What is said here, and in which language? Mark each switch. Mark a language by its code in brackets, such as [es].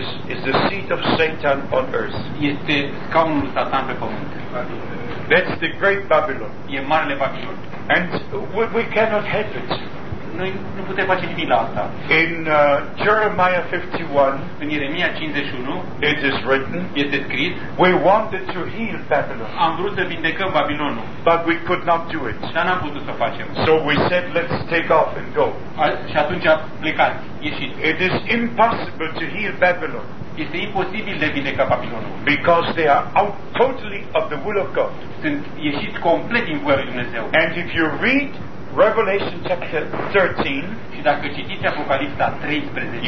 [en] Is the seat of Satan on earth. [ro] Este scaunul Satan pe pământ. [en] That's the great Babylon. [ro] E marele Babilon. [en] And we cannot help it. [ro] Noi nu putem face nimic la asta. [en] In Jeremiah 51, [ro] în Ieremia 51, [en] it is written, [ro] este scris, [en] we wanted to heal Babylon. [ro] Am vrut să vindecăm Babilonul. [en] But we could not do it. [ro] Dar n-am putut să facem. [en] So we said, let's take off and go. [ro] Și atunci a plecat, ieșit. [en] It is impossible to heal Babylon. [ro] Este imposibil de vindecat Babilonul. [en] Because they are out totally of the will of God. [ro] Sunt ieșit complet din voia lui Dumnezeu. [en] And if you read Revelation chapter 13, [ro] și dacă citiți Apocalipsa 13,